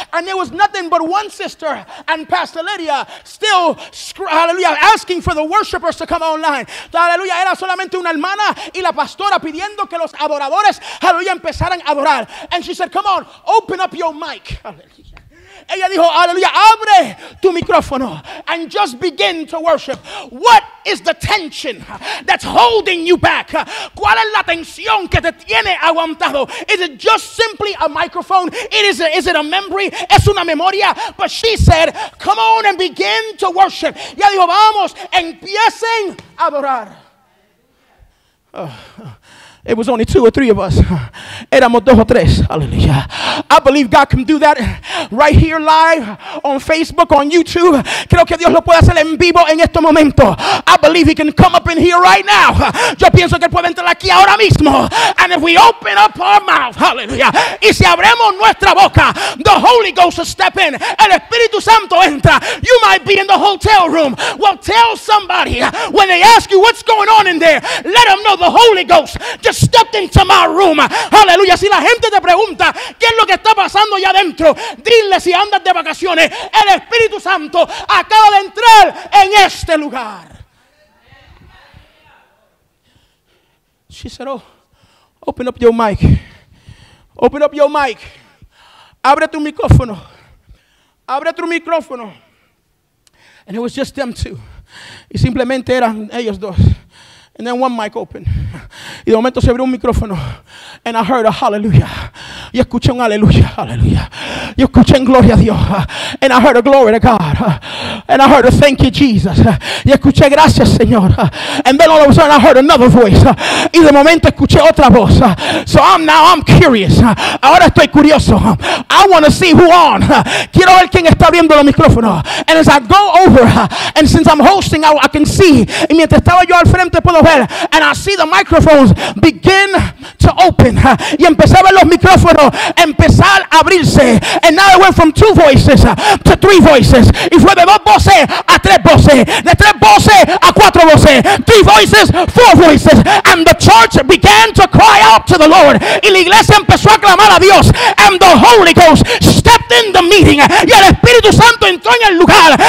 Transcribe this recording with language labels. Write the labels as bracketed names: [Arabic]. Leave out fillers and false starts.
[English] And there was nothing but one sister and Pastor Lydia still, hallelujah, asking for the worshipers to come online. Hallelujah. [Spanish] Era solamente una hermana y la pastora pidiendo que los adoradores, hallelujah, empezaran a adorar. [English] And she said, come on, open up your mic. Hallelujah. [Spanish] Ella dijo, aleluya, abre tu micrófono [English] and just begin to worship. What is the tension that's holding you back? [Spanish] ¿Cuál es la tensión que te tiene aguantado? [English] Is it just simply a microphone? Is it a memory? [Spanish] ¿Es una memoria? [English] But she said, come on and begin to worship. [Spanish] Ella dijo, vamos, empiecen a adorar. Oh. [English] It was only two or three of us. [Spanish] Éramos dos o tres. [English] Aleluya. I believe God can do that right here live on Facebook, on YouTube. [Spanish] Creo que Dios lo puede hacer en vivo en este momento. [English] I believe he can come up in here right now. [Spanish] Yo pienso que puede entrar aquí ahora mismo. [English] And if we open up our mouth, hallelujah. [Spanish] Y si abrimos nuestra boca, [English] the Holy Ghost will step in. [Spanish] El Espíritu Santo entra. [English] You might be in the hotel room. Well, tell somebody when they ask you what's going on in there, let them know the Holy Ghost just stepped into my room. Hallelujah. [Spanish] Si la gente te pregunta qué es lo que está pasando allá adentro, dile si andas de vacaciones, el Espíritu Santo acaba de entrar en este lugar. [English] She said, oh, open up your mic. Open up your mic. [Spanish] Abre tu micrófono. Abre tu micrófono. [English] And it was just them two. [Spanish] Y simplemente eran ellos dos. [English] And then one mic opened. [Spanish] Y de momento se abrió un micrófono. [English] And I heard a hallelujah. [Spanish] Y escuché un aleluya, aleluya. Y escuché en gloria a Dios. [English] And I heard a glory to God. And I heard a thank you, Jesus. [Spanish] Y escuché gracias, Señor. [English] And then all of a sudden I heard another voice. [Spanish] Y de momento escuché otra voz. [English] So I'm curious. [Spanish] Ahora estoy curioso. [English] I want to see who on. [Spanish] Quiero ver quién está abriendo los micrófonos. [English] And as I go over, and since I'm hosting, I can see. [Spanish] Y mientras estaba yo al frente puedo ver. [English] And I see the microphones begin to open. [Spanish] Y empecé a ver los micrófonos empezar a abrirse. [English] And now it went from two voices to three voices. [Spanish] Y fue de dos voces a tres voces. De tres voces a cuatro voces. [English] Three voices, four voices. And the church began to cry out to the Lord. [Spanish] Y la iglesia empezó a clamar a Dios. [English] And the Holy Ghost stepped in the meeting. [Spanish] Y el Espíritu Santo entró en el lugar.